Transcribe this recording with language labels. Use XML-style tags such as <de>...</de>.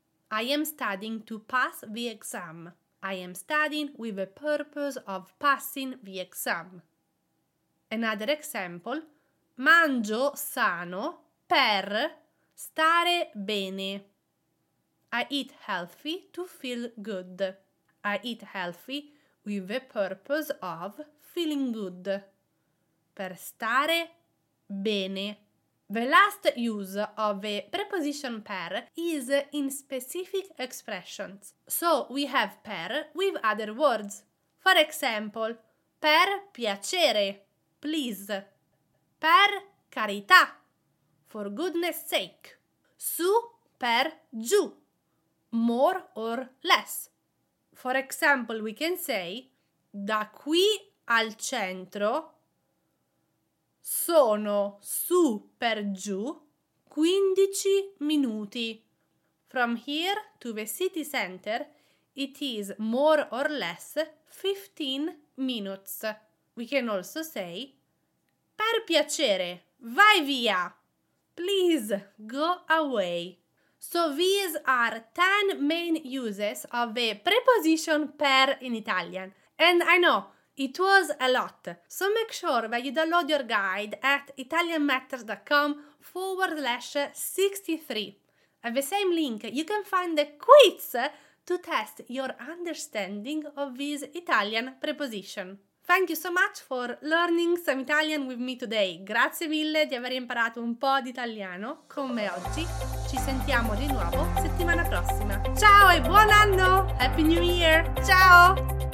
<en>I am studying to pass the exam. I am studying with the purpose of passing the exam. Another example,</en> <it>mangio sano per stare bene.</it> <en>I eat healthy to feel good. I eat healthy with the purpose of feeling good.</en> <it>Per stare bene.</it> <en>The last use of the preposition per is in specific expressions. So we have per with other words. For example,</en> <it>per piacere,</it> <en>please.</en> <it>Per carità,</it> <en>for goodness sake.</en> <it>Su per giù,</it> <en>more or less. For example, we can say,</en> <it>da qui al centro sono su per giù 15 minuti.</it> <en>From here to the city center, it is more or less 15 minutes. We can also say,</en> <it>per piacere, vai via!</it> <en>Please, go away! So these are 10 main uses of the preposition per in Italian. And I know, it was a lot. So make sure that you download your guide at italianmatters.com/63. At the same link, you can find the quiz to test your understanding of this Italian preposition. Thank you so much for learning some Italian with me today.</en> <it>Grazie mille di aver imparato un po' di italiano con me oggi. Ci sentiamo di nuovo settimana prossima. Ciao e buon anno!</it> <en>Happy New Year!</en> <it>Ciao!</it>